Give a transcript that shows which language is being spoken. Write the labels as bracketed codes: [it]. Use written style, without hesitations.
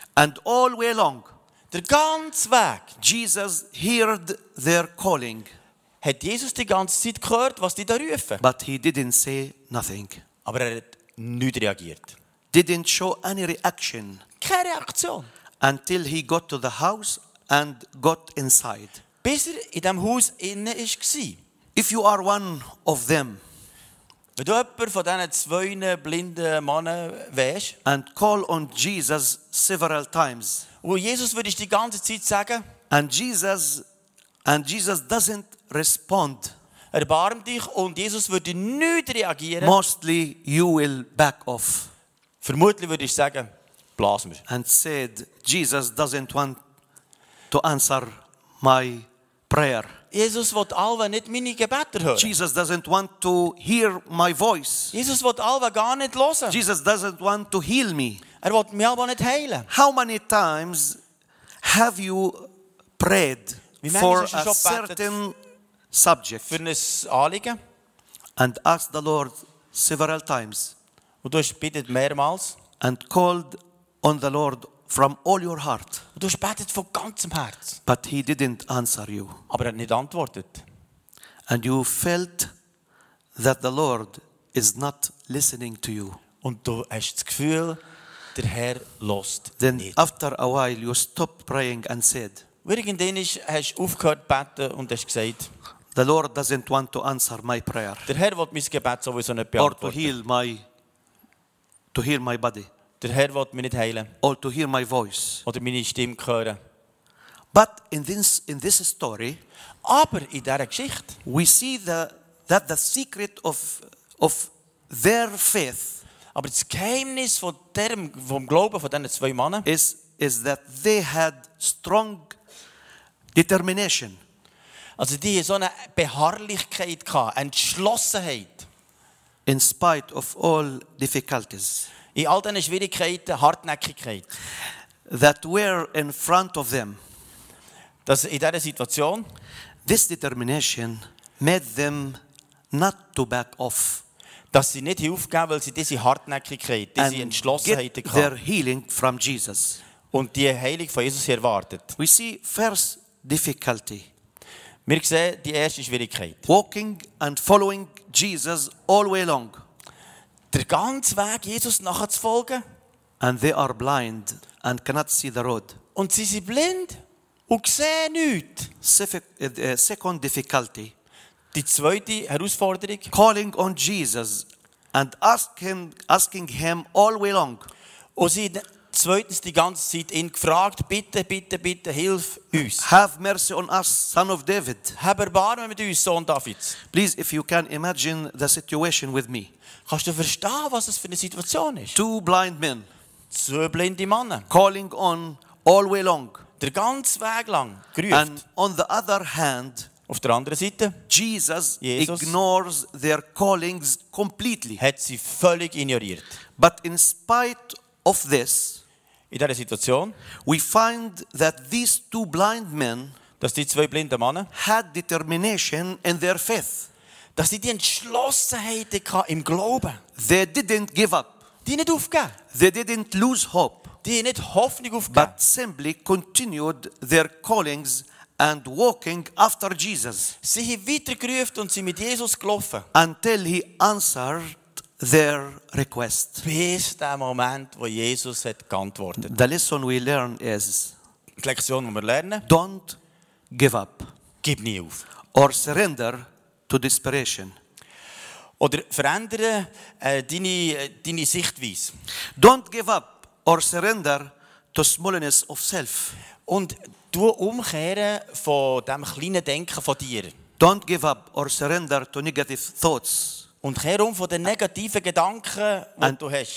[en] And all way long, [de] der ganze Weg, [en] Jesus heard their calling. [de] Hat Jesus die ganze Zeit gehört, was die da rufen? [en] But he didn't say nothing. [de] Aber er hat nicht reagiert. [en] Didn't show any reaction. [de] Keine Reaktion. [en] Until he got to the house and got inside. [de] Bis er in dem Haus inne ist gsi. [en] If you are one of them, [de] Wenn du jemand von diesen zwei blinden Männern wärst, [en] and call on Jesus several times. [de] Und Jesus würde ich die ganze Zeit sagen, [en] and Jesus doesn't respond. [de] Erbarm dich und Jesus würde nicht reagieren. [en] Mostly you will back off. [de] Vermutlich würde ich sagen, blasen wir. [en] And said, Jesus doesn't want to answer my prayer. [de] Jesus will alle nicht meine Gebete hören. [en] Jesus doesn't want to hear my voice. [de] Jesus will alle gar nicht hören. [en] Jesus doesn't want to heal me. [de] Er will mich aber nicht heilen. [en] How many times have you prayed for a certain subject? [de] Für ein Anliegen. [en] And asked the Lord several times. [de] Und du hast betet mehrmals. [en] And called on the Lord from all your heart. [de] Und du hast betet von ganzem Herz. [en] But he didn't answer you. [de] Aber er hat nicht antwortet. [en] And you felt that the Lord is not listening to you. [de] Und du hast das Gefühl, der Herr lost [en] then [de] nicht. [en] After a while you stopped praying and said, [de] irgendwann hast du aufgehört zu beten und hast gesagt, [en] the Lord doesn't want to answer my prayer. [de] Der Herr will mein Gebet sowieso nicht beantworten. [en] Or to heal my body. [de] Der Herr will mich nicht heilen. [en] Or to hear my voice. [de] Oder meine Stimme hören. [en] But in this story, [de] aber in dieser Geschichte, [en] we see that the secret of their faith, [de] aber das Geheimnis vom Glauben von diesen zwei Männern, [en] is that they had strong determination. [de] Also die so eine Beharrlichkeit gehabt, Entschlossenheit. [en] In spite of all difficulties. [de] In all diesen Schwierigkeiten, Hartnäckigkeit. [en] That were in front of them. [de] Dass in dieser Situation. [en] This determination made them not to back off. [de] Dass sie nicht aufgeben, weil sie diese Hartnäckigkeit, diese Entschlossenheit gehabt. [en] Their healing from Jesus. [de] Und die Heilung von Jesus erwartet. [en] We see first difficulty. [de] Wir sehen die erste Schwierigkeit. [en] Walking and following Jesus all way long. [de] Der ganze Weg, Jesus nachzufolgen. [en] And they are blind and cannot see the road. [de] Und sie sind blind und sehen nichts. [en] Second difficulty. [de] Die zweite Herausforderung. [en] Calling on Jesus and asking him all way long. [de] Und sie zweitens die ganze Zeit ihn gefragt, bitte, bitte, bitte, hilf uns. [en] Have mercy on us, son of David. [de] Hab Erbarmen mit uns, Sohn Davids. [en] Please, if you can imagine the situation with me. [de] Kannst du verstehen, was das für eine Situation ist? [en] Two blind men. [de] Zwei blinde Männer. [en] Calling on all way long. [de] Der ganze Weg lang. Gerufen. [en] And on the other hand, [de] auf der anderen Seite, [en] Jesus ignores their callings completely. [de] Hat sie völlig ignoriert. [en] But in spite of this, [de] in dieser Situation, [en] we find that these two blind men, [de] dass die zwei blinden Männer, [en] had determination in their faith, [de] dass sie die Entschlossenheit hatten im Glauben. [en] They didn't give up. [de] Die nicht aufgeben. [en] They didn't lose hope. [de] Die nicht Hoffnung aufgeben. [en] But simply continued their callings and walking after Jesus. [de] Sie haben weitergerufen und sind mit Jesus gelaufen. [en] Until he answered their request. [de] Bis der Moment, wo Jesus hat geantwortet. [en] The lesson we learn is, [de] die Lektion, die wir lernen, [en] don't give up. [de] Gib nie auf. [en] Or surrender to desperation. [de] Oder verändere deine Sichtweise. [en] Don't give up or surrender to smallness of self. [de] Und du umkehren von dem kleinen Denken von dir. [en] Don't give up or surrender to negative thoughts. [de] Und kehr um von den negativen Gedanken, die du hast.